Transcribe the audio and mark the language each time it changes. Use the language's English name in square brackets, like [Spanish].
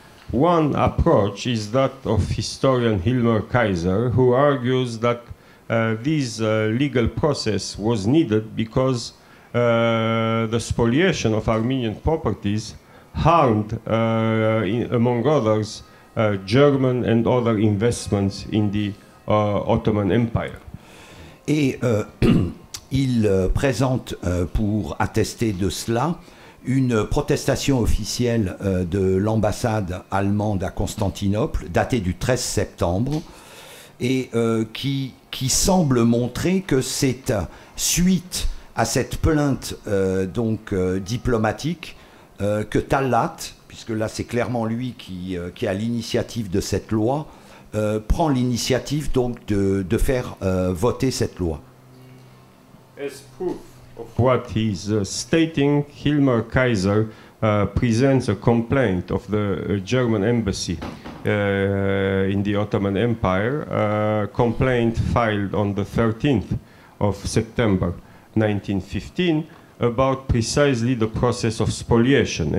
[English] One approach is that of historian Ilmar Kaiser, who argues that this legal process was needed because the spoliation of Armenian properties harmed, among others, German and other investments in the Ottoman Empire. [French] Et il présente pour attester de cela une protestation officielle de l'ambassade allemande à Constantinople, datée du 13 septembre, et qui semble montrer que c'est suite à cette plainte diplomatique que Talat, puisque là c'est clairement lui qui a l'initiative de cette loi, prend l'initiative donc de faire voter cette loi. [English] As proof of what he's stating, Ilmar Kaiser presents a complaint of the German embassy in the Ottoman Empire, a complaint filed on the 13th of September 1915 about precisely the process of spoliation.